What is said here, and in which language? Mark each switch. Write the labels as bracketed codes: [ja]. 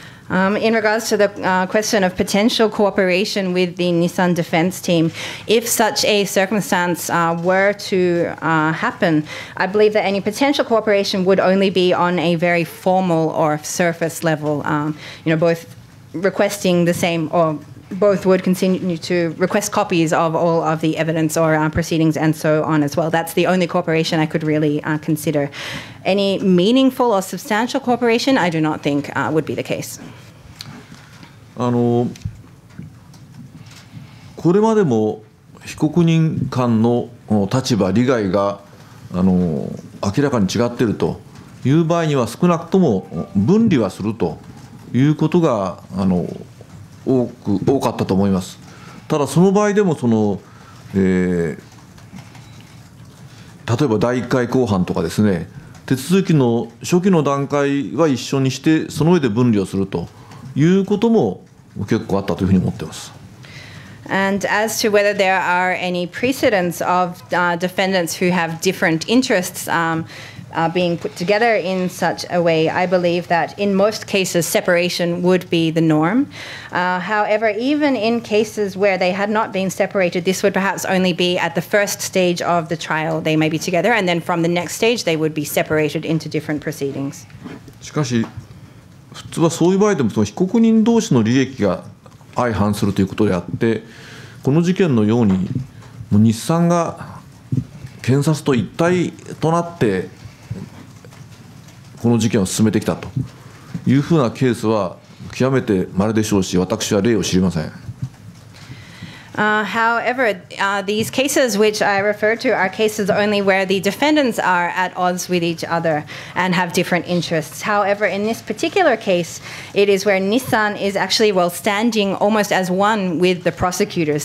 [en] In regards to the question of potential cooperation with the Nissan defense team, if such a circumstance were to happen, I believe that any potential cooperation would only be on a very formal or surface level, both requesting the same, or both would continue to request copies of all of the evidence or proceedings and so on as well. That's the only cooperation I could really consider. Any meaningful or substantial cooperation, I do not think would be the case. [ja] これまでも被告人間の立場、利害が明らかに違っているという場合には、少なくとも分離はするということが多かったと思います。ただその場合でも例えば第一回公判とかですね、手続きの初期の段階は一緒にして、その上で分離をするということも結構あったというふうに思ってます。 [en] And as to whether there are any precedents of defendants who have different interests being put together in such a way, I believe that in most cases separation would be the norm. However, even in cases where they had not been separated, this would perhaps only be at the first stage of the trial they may be together, and then from the next stage they would be separated into different proceedings. [ja] しかし普通はそういう場合でも、その被告人同士の利益が相反するということであって、この事件のようにもう日産が検察と一体となってこの事件を進めてきたというふうなケースは極めて稀でしょうし、私は例を知りません。 [en] However, these cases which I refer to are cases only where the defendants are at odds with each other and have different interests. However, in this particular case, it is where Nissan is actually, well, standing almost as one with the prosecutors.